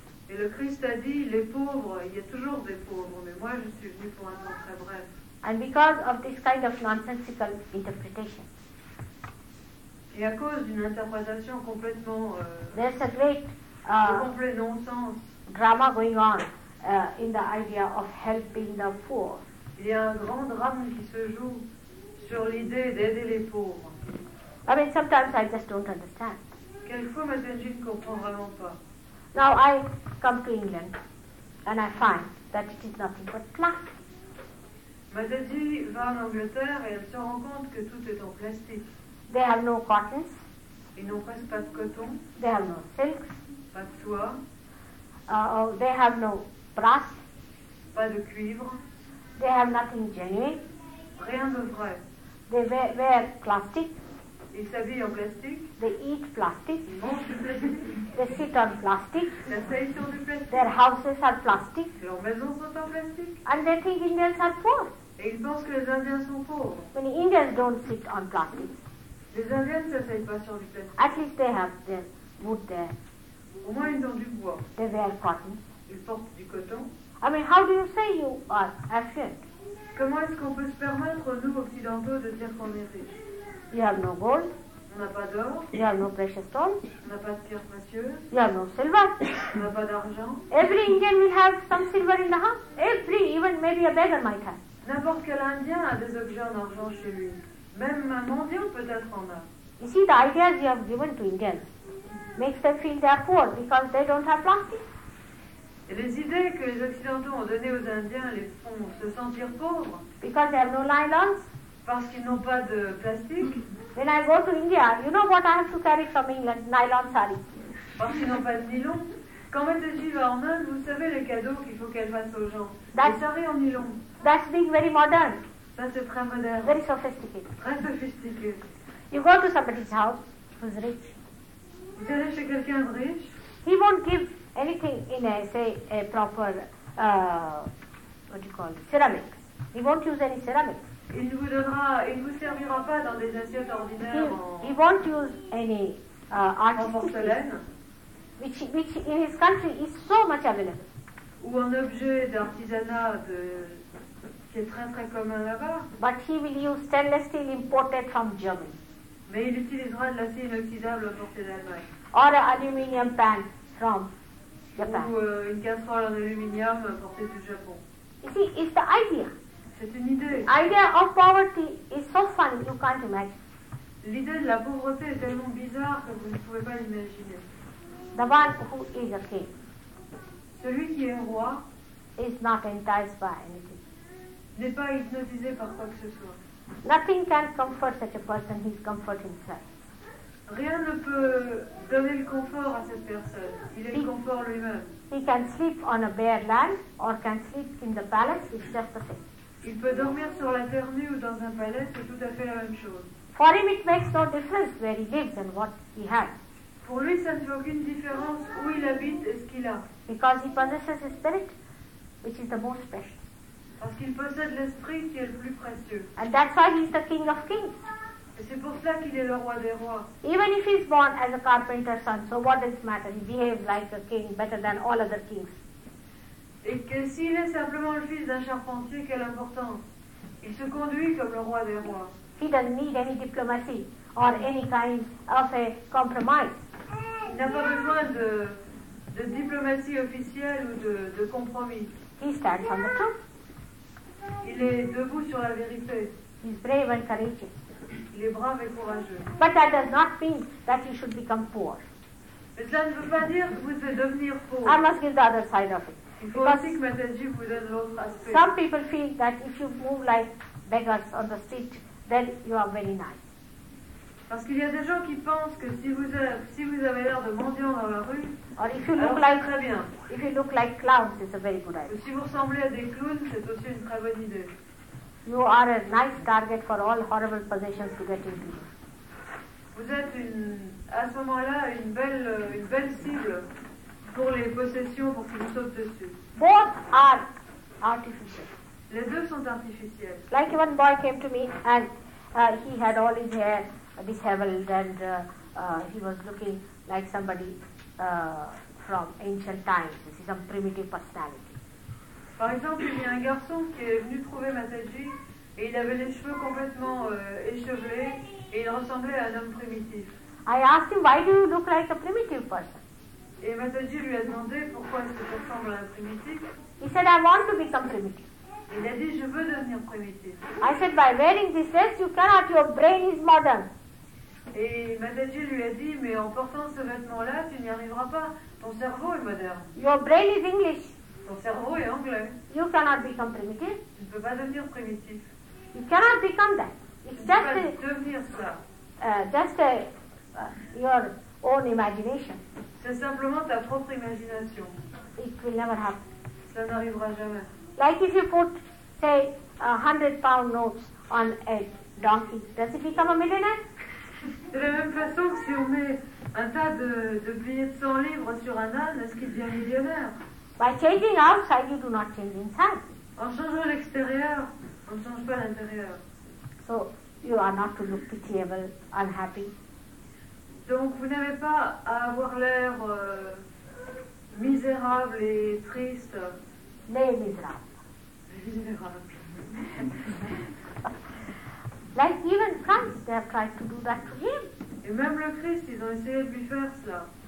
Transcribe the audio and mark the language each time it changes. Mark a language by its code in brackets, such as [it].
[fr] Et le Christ a dit, les pauvres, il y a toujours des pauvres, mais moi je suis venu pour un temps très bref. [en] And because of this kind of nonsensical interpretation. [fr] Et à cause d'une interprétation complètement [en] there's a great [fr] complet non-sens. [en] Drama going on in the idea of helping the poor. [fr] Il y a un grand drame qui se joue sur l'idée d'aider les pauvres. [en] I mean, sometimes I just don't understand. Now I come to England and I find that it is nothing but plastic. [fr] Mataji va en Angleterre et elle se rend compte que tout est en plastique. [en] They have no cottons. [fr] Ils n'ont presque pas de coton. [en] They have no silks. [fr] Pas de soie. [en] They have no brass. [fr] Pas de cuivre. [en] They have nothing genuine. [fr] Rien de vrai. [en] They wear plastic. [fr] Ils s'habillent en plastique. [en] They eat plastic. [fr] Ils mangent du plastique. [en] They sit on plastic. [fr] Ils s'asseyent sur du plastique. [en] Their houses are plastic. [fr] Leurs maisons sont en plastique. [en] And they think Indians are poor. [fr] Et ils pensent que les Indiens sont pauvres. [en] When Indians don't sit on plastic. [fr] Les Indiens ne s'asseyent pas sur du plastique. [en] At least they have their wood there. [fr] Au moins ils ont du bois. [en] They wear cotton. [fr] Ils portent du coton. [en] I mean, how do you say you are Asian? [fr] Comment est-ce qu'on peut se permettre, nous, occidentaux, de dire qu'on est riche? [en] You have no gold. [fr] On n'a pas d'or. [en] You have no precious stone. [fr] On n'a pas de pierre précieuse. [en] You have no silver. [fr] On n'a pas d'argent. [en] Every Indian will have some silver in the house. Every, even maybe a beggar might have. [fr] N'importe quel Indien a des objets en argent chez lui. Même un mendiant peut-être en a. [en] You see, the ideas you have given to Indians makes them feel they are poor because they don't have plastic. [fr] Et les idées que les Occidentaux ont données aux Indiens les font se sentir pauvres. [en] Because they have no nylons. [fr] Parce qu'ils n'ont pas de plastique. [en] When I go to India, you know what I have to carry from England? Nylon sari. [fr] Parce qu'ils n'ont pas de nylon. Quand Mataji va en Inde, vous savez les cadeaux qu'il faut qu'elle fasse aux gens. [en] That's, [fr] les sari en nylon. [en] That's being very modern. [fr] Ça c'est très moderne. [en] Very sophisticated. [fr] Très sophistiqué. [en] You go to somebody's house who's rich. [fr] Vous allez chez quelqu'un de riche. [en] He won't give anything in a, say, a proper, what do you call it, ceramic. He won't use any ceramic. [fr] Il ne vous donnera, il ne vous servira pas dans des assiettes ordinaires. [en] He won't use any porcelaine, which in his country is so much available. [fr] Ou un objet d'artisanat de, qui est très très commun là-bas. [en] But he will use stainless steel imported from Germany. [fr] Mais il utilisera de l'acier inoxydable importé d'Allemagne. [en] Or an aluminium pan from Japan. [fr] Ou une casserole en aluminium importée du Japon. [en] You see, it's the idea. [fr] C'est une idée. [en] The idea of poverty is so funny, you can't imagine. [fr] L'idée de la pauvreté est tellement bizarre que vous ne pouvez pas l'imaginer. [en] The one who is a king. [fr] Celui qui est un roi. [en] Is not enticed by anything. [fr] N'est pas hypnotisé par quoi que ce soit. [en] Nothing can comfort such a person, he's comforting himself. [fr] Rien ne peut donner le confort à cette personne. Il est le confort lui-même. [en] He can sleep on a bare land or can sleep in the palace, it's just the same. [fr] Il peut dormir sur la terre nue ou dans un palais, c'est tout à fait la même chose. [en] For him it makes no difference where he lives and what he has. [fr] Pour lui, ça ne fait aucune différence où il habite et ce qu'il a. [en] Because he possesses his spirit, which is the most precious. [fr] Parce qu'il possède l'esprit qui est le plus précieux. [en] And that's why he's the king of kings. [fr] Et c'est pour cela qu'il est le roi des rois. [en] Even if he's born as a carpenter's son, so what does it matter? He behaves like a king better than all other kings. [fr] Et que s'il est simplement le fils d'un charpentier, quelle importance? Il se conduit comme le roi des rois. [en] He doesn't need any diplomacy or any kind of a compromise. [fr] Il n'a pas besoin de diplomatie officielle ou de compromis. [en] He stands on the truth. [fr] Il est debout sur la vérité. [en] He's brave and courageous. [fr] Il est brave et courageux. [en] But that does not mean that you should become poor. [fr] Mais cela ne veut pas dire que vous devez devenir pauvre. [en] I must give the other side of it. [fr] Il faut aussi que Mataji vous donne l'autre aspect. [en] Some people feel that if you move like beggars on the street, then you are very nice. [fr] Parce qu'il y a des gens qui pensent que si vous avez l'air de mendiant dans la rue, [en] or if you [fr] alors [en] look [fr] c'est [en] like, [fr] très bien. [en] If you look like clowns, it's a very good idea. [fr] Si vous ressemblez à des clowns, c'est aussi une très bonne idée. [en] You are a nice target for all horrible possessions to get into. [fr] Vous êtes une, à ce moment-là une belle cible pour les possessions pour qu'ils vous sautent dessus. [en] Both are artificial. [fr] Les deux sont artificiels. [en] Like one boy came to me and he had all his hair disheveled and he was looking like somebody from ancient times. This is some primitive personality. [fr] Par exemple, il y a un garçon qui est venu trouver Mataji et il avait les cheveux complètement échevelés et il ressemblait à un homme primitif. [en] I asked him, why do you look like a primitive person? [fr] Et Mataji lui a demandé pourquoi est-ce que tu ressembles à un primitif. [en] He said, I want to become primitive. [fr] Il a dit, je veux devenir primitif. [en] I said, by wearing this dress, you cannot, your brain is modern. [fr] Et Mataji lui a dit, mais en portant ce vêtement-là, tu n'y arriveras pas. Ton cerveau est moderne. [en] Your brain is English. [fr] Ton cerveau est anglais. [en] You cannot become primitive. [fr] Tu ne peux pas devenir primitif. [en] You cannot become that. It's [fr] tu [en] just [fr] peux pas devenir ça. [en] Just your own imagination. [fr] C'est simplement ta propre imagination. [en] It will never happen. [fr] Ça n'arrivera jamais. [en] Like if you put, say, 100-pound notes on a donkey, does it become a millionaire? [fr] De la même façon que si on met un tas de billets de 100 livres sur un âne, est-ce qu'il devient millionnaire? [en] By changing outside, you do not change inside. [fr] En changeant l'extérieur, on ne change pas l'intérieur. [en] So, you are not to look pitiable, unhappy. [fr] Donc, vous n'avez pas à avoir l'air misérable et triste. Mais misérable. [en] Like even Christ, they have tried to do that to him. [fr] Et même le Christ, ils ont essayé de lui faire cela.